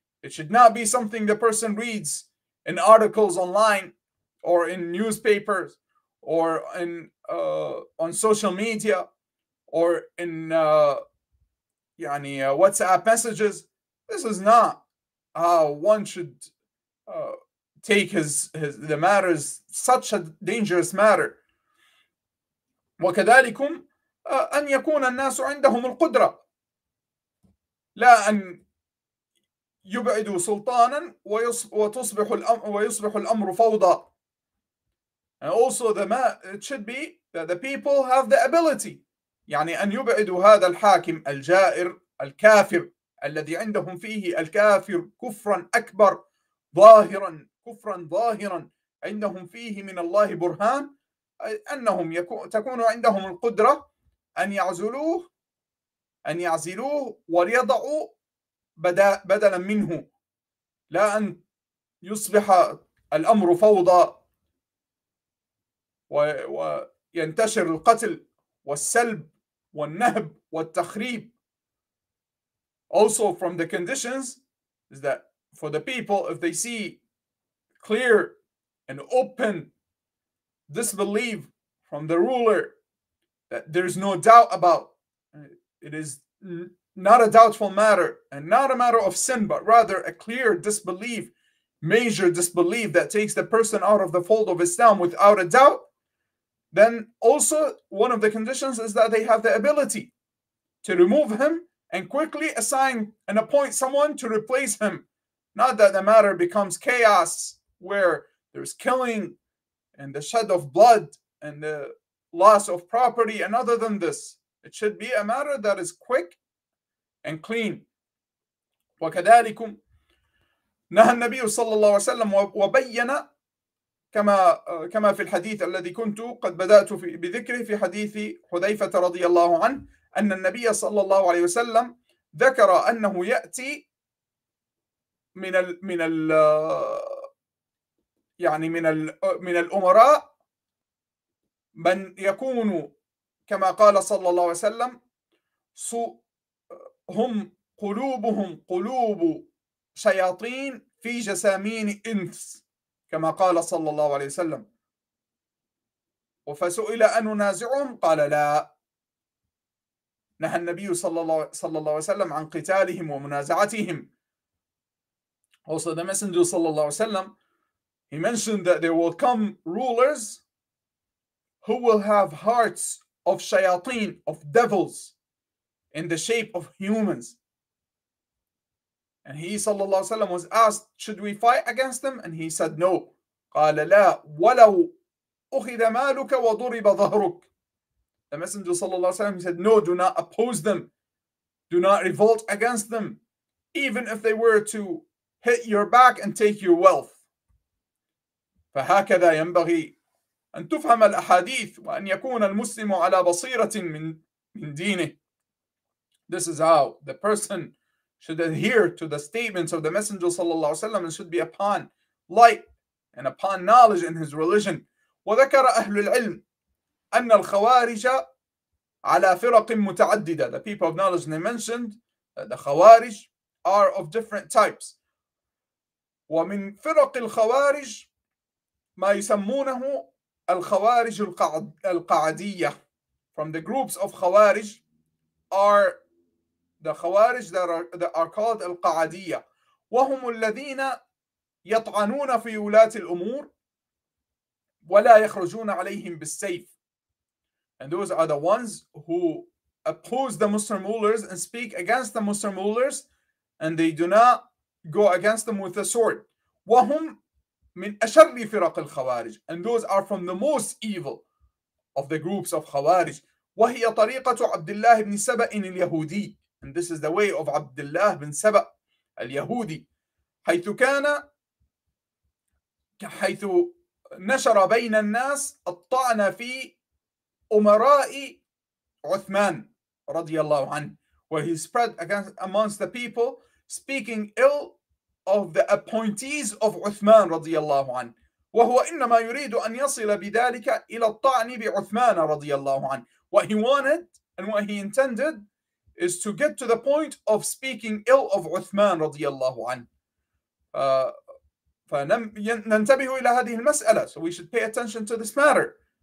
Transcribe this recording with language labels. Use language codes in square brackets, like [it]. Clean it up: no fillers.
[en] It should not be something the person reads in articles online or in newspapers or on social media or in WhatsApp messages. This is not how one should take the matters, such a dangerous matter. [ar] وكذلكم أن يكون الناس عندهم القدرة, لا أن يبعدوا سلطانا ويصبح الأمر فوضى. [en] And also it should be that the people have the ability, [ar] يعني أن يبعدوا هذا الحاكم الجائر الكافر الذي عندهم فيه الكافر كفرا أكبر ظاهرا, كفرا ظاهرا عندهم فيه من الله برهان, أنهم تكون عندهم القدرة أن يعزلوه وليضعوا بدلا منه, لا أن يصبح الأمر فوضى وينتشر القتل والسلب والنهب والتخريب. [en] Also from the conditions is that for the people, if they see clear and open disbelief from the ruler that there is no doubt about. It is not a doubtful matter and not a matter of sin, but rather a clear disbelief, major disbelief that takes the person out of the fold of Islam without a doubt. Then also one of the conditions is that they have the ability to remove him and quickly assign and appoint someone to replace him. Not that the matter becomes chaos where there's killing and the shed of blood and the loss of property. And other than this, it should be a matter that is quick and clean. [ar] وَكَذَلِكُمْ نَهَى النَّبِيُّ صَلَّى اللَّهُ وَسَلَّمُ وَبَيَّنَ كما في الحديث الذي كنت قد بدأت بذكره في حديث حذيفة رضي الله عنه أن النبي صلى الله عليه وسلم ذكر أنه يأتي من الأمراء من يكون كما قال صلى الله عليه وسلم هم قلوبهم قلوب شياطين في جسامين إنس كما قال صلى الله عليه وسلم وفسئل أن ننازعهم قال لا نهى النبي صلى الله عليه وسلم عن قتالهم ومنازعتهم. [en] Also the messenger صلى الله عليه وسلم, he mentioned that there will come rulers who will have hearts of shayateen, of devils, in the shape of humans. And he صلى الله عليه وسلم was asked, should we fight against them? And he said no. [ar] قال لا ولو أخذ مالك وضرب ظهرك. [en] The Messenger sallallahu alaihi wasallam, he said, no, do not oppose them. Do not revolt against them. Even if they were to hit your back and take your wealth. [ar] فهكذا ينبغي أن تفهم الأحاديث وأن يكون المسلم على بصيرة من دينه. [en] This is how the person should adhere to the statements of the Messenger sallallahu alaihi wasallam and should be upon light and upon knowledge in his religion. [ar] وذكر أهل العلم أن الخوارج على فرق متعددة. [en] The people of knowledge, they mentioned that the خوارج are of different types. [ar] ومن فرق الخوارج ما يسمونه الخوارج القعدية. [en] From the groups of خوارج are the خوارج that are called القعدية. [ar] وهم الذين يطعنون في ولاة الأمور ولا يخرجون عليهم بالسيف. [en] And those are the ones who oppose the Muslim rulers and speak against the Muslim rulers, and they do not go against them with a sword. [ar] وَهُمْ مِنْ أَشَرِّ فِرَقِ الْخَوَارِجِ. [en] And those are from the most evil of the groups of Khawarij. [ar] وَهِيَ طَرِيقَةُ عَبْدِ اللَّهِ بْنِ سَبَئِنِ الْيَهُودِي. [en] And this is the way of Abdullah bin Saba al-Yahudi. [ar] حَيْثُ كَانَ حَيْثُ نَشَرَ بَيْنَ النَّاسِ الطَّعْنَ فِي أمراء عثمان رضي الله عنه, [en] where he spread against amongst the people speaking ill of the appointees of عثمان رضي الله عنه. [ar] وهو إنما يريد أن يصل بذلك إلى الطعن بعثمان رضي الله عنه. [en] What he wanted and what he intended is to get to the point of speaking ill of عثمان رضي الله عنه. [ar] فننتبه إلى هذه المسألة. [en] So we should pay attention to this matter.